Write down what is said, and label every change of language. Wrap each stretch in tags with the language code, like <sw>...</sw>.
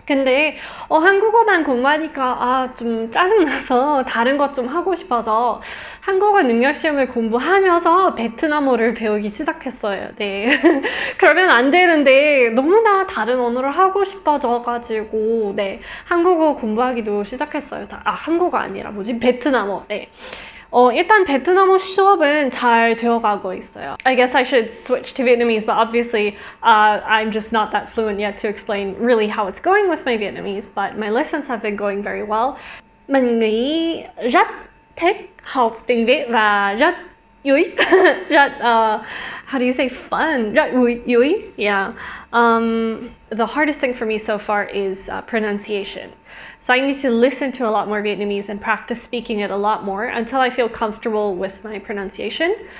<ko>근데 한국어만 공부하니까 좀 짜증나서 다른 것 좀 하고 싶어서 한국어 능력 시험을 공부하면서 베트남어를 배우기 시작했어요. 네. 그러면 안 되는데 너무나 다른 언어를 하고 싶어져가지고 네. 한국어 공부하기도 시작했어요. 한국어 아니라 뭐지? 베트남어. 네. 일단 베트남어 수업은 잘 되어가고 있어요.</ko> <en>I guess I should switch to Vietnamese, but obviously I'm just not that fluent yet to explain really how it's going with my Vietnamese, but my lessons have been going very well.</en> <vi>Mình nghĩ rất thích học tiếng Việt và rất vui, rất,</vi> <en>how do you say fun?</en> <vi>Rất vui, yeah.</vi> <en>The hardest thing for me so far is pronunciation. So I need to listen to a lot more Vietnamese and practice speaking it a lot more until I feel comfortable with my pronunciation.</en>